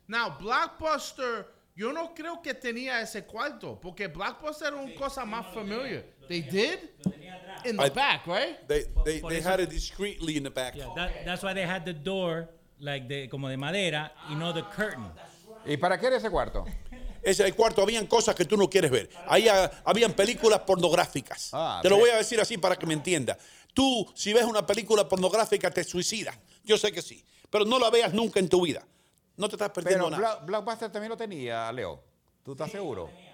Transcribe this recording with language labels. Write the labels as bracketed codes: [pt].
[es] Now, Blockbuster, yo no creo que tenía ese cuarto, porque Blockbuster era una cosa más familiar. [en] They did? In the back, right? They had it discreetly in the back. Yeah, that's why they had the door, like the, [es] como de madera, y no [en] the curtain. [es] ¿Y para qué era ese cuarto? Ese cuarto, habían cosas que tú no quieres ver. Ahí habían películas pornográficas. Te lo voy a decir así para que me entienda. Tú, si ves una película pornográfica, te suicidas. Yo sé que sí. Pero no la veas nunca en tu vida. No te estás perdiendo nada. Pero Blockbuster también lo tenía, Leo. ¿Tú estás seguro?